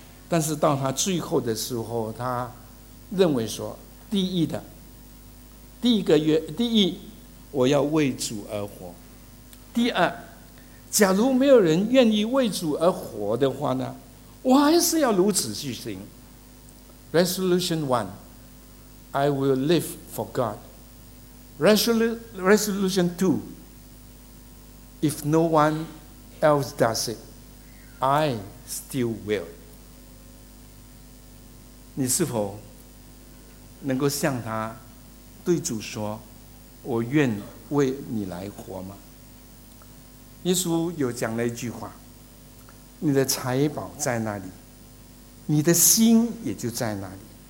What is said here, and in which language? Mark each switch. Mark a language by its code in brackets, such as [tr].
[zh] 但是到他最后的时候，他认为说，第一，我要为主而活；第二，假如没有人愿意为主而活的话呢，我还是要如此去行。 [en] Resolution one, I will live for God. Resolution two, if no one else does it, I still will. [zh] 你是否能够向他对主说，我愿为你来活吗？耶稣有讲了一句话，你的财宝在那里，你的心也就在那里。